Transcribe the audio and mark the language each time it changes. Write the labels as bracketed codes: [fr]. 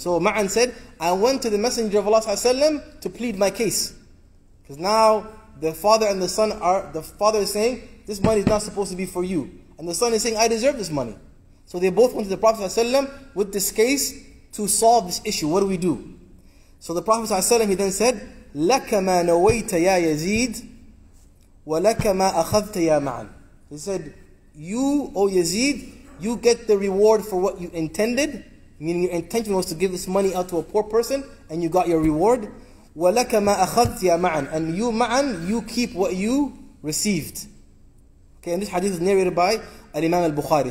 [en] So Ma'an said, I went to the Messenger of Allah to plead my case. Because now the father and the son are, the father is saying, this money is not supposed to be for you. And the son is saying, I deserve this money. So they both went to the Prophet with this case to solve this issue. What do we do? So the Prophet he then said, [ar] لَكَ مَا نَوَيْتَ يَا يَزِيدِ وَلَكَ مَا أَخَذْتَ يَا مَعَنْ. [en] He said, you, O Yazid, you get the reward for what you intended, meaning your intention was to give this money out to a poor person, and you got your reward. [ar] وَلَكَ مَا أَخَذْتَ يَا مَعَنْ. [en] And you, Ma'an, you keep what you received. Okay, and this hadith is narrated by Al-Imam al-Bukhari.